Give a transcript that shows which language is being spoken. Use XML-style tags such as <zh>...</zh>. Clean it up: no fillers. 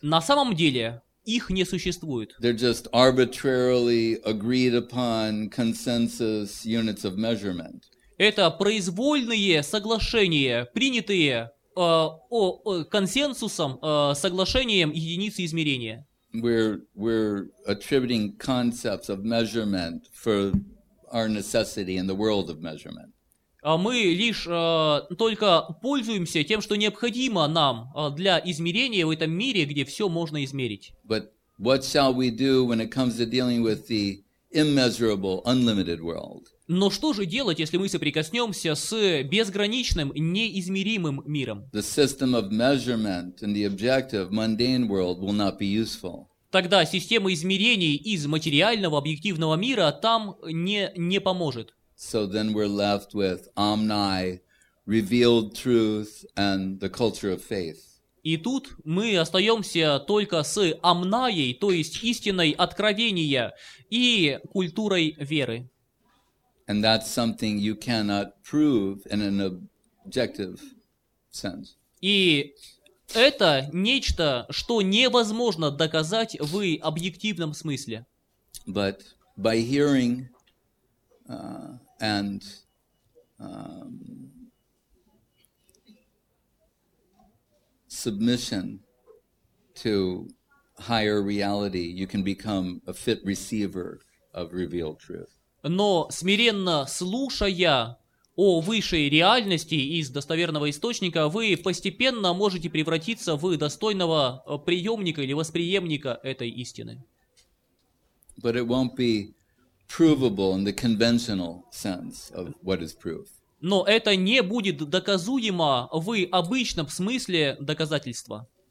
<ru>На самом деле их не существует.</ru> <en>They're just arbitrarily agreed upon consensus units of measurement.</en> <ru>Это произвольные соглашения, принятые консенсусом, соглашением единицы измерения.</ru> <en>We're attributing concepts of measurement for our necessity in the world of measurement.</en> <ru>Мы лишь только пользуемся тем, что необходимо нам для измерения в этом мире, где все можно измерить.</ru> <en>But what shall we do when it comes to dealing with the immeasurable, unlimited world?</en> <ru>Но что же делать, если мы соприкоснемся с безграничным, неизмеримым миром?</ru> <en>The system of measurement in the objective, mundane world will not be useful.</en> <ru>Тогда система измерений из материального, объективного мира там не поможет.</ru> <en>So then we're left with omni, revealed truth, and the culture of faith.</en> <ru>И тут мы остаемся только с омнаей, то есть истиной откровения и культурой веры.</ru> <en>And that's something you cannot prove in an objective sense.</en> <ru>И это нечто, что невозможно доказать в объективном смысле.</ru> <en>But by hearing and submission to higher reality, you can become a fit receiver of revealed truth.</en> <ru>Но смиренно слушая о высшей реальности из достоверного источника, вы постепенно можете превратиться в достойного приемника или восприемника этой истины.</ru> <en>But it won't be provable in the conventional sense of what is proof.</en> <ru>Но это не будет доказуемо в обычном смысле доказательства.</ru>